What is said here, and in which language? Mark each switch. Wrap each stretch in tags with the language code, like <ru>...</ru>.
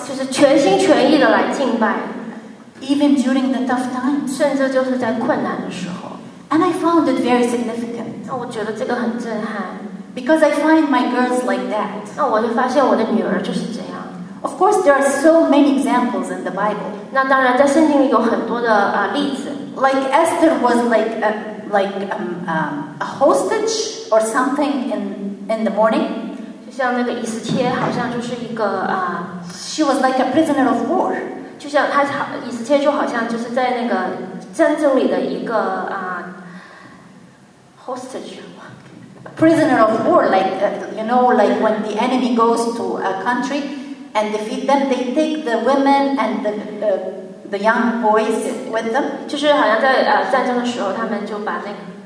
<zh>就是全心全意的来敬拜。</zh> <en>Even during the tough times,</en> <zh>甚至就是在困难的时候</zh> <en>and I found it very significant.</en> <zh>那我觉得这个很震撼</zh> <en>because I find my girls like that.</en> <zh>那我就发现我的女儿就是这样</zh> <en>Of course, there are so many examples in the Bible.</en> <zh>那当然，在圣经里有很多的例子</zh> <en>Like Esther was like a hostage or something in the morning.</en> <zh>就像那个以斯帖，好像就是一个</zh> <en>she was like a prisoner of war.</en> <zh>就像他以斯帖就好像就是在那个战争里的一个hostage,</zh> <en>prisoner of war. Like you know, like when the enemy goes to a country and defeat them, they take the women and the young boys with them.</en> <zh>就是好像在战争的时候，他们就把那个。</zh>